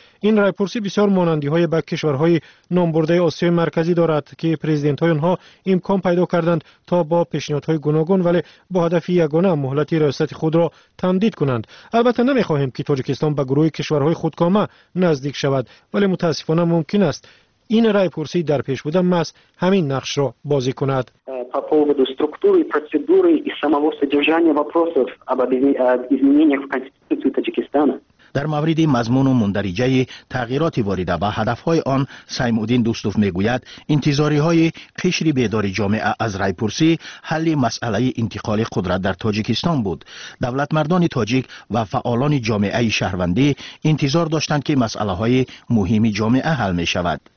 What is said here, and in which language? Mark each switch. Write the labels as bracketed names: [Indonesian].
[Persian] این رای پرسی بسیار مانندی های به کشورهای نامبرده آسیای مرکزی دارد که پرزیدنت های آنها امکان پیدا کردند تا با پیشنهادهای گوناگون ولی با هدف یگانه مهلت ریاست خود را تمدید کنند. البته نمیخواهیم که تاجیکستان به گروه کشورهای خودکامه نزدیک شود، ولی متاسفانه ممکن است این رای پرسی در پیش بوده ماست همین نقش را بازی کند. [Russian] По поводу структуры, процедуры и самого содержания вопросов об изменениях в Конституции Таджикистана. [Persian] در مورد مضمون و مندرجه تغییرات وارده به هدفهای آن، سیمودین دوستوف میگوید انتظاری های قشر بیدار جامعه از رای پرسی حل مسئله انتقال قدرت در تاجیکستان بود. دولت مردان تاجیک و فعالان جامعه شهروندی انتظار داشتند که مسئله های مهم جامعه حل می شود.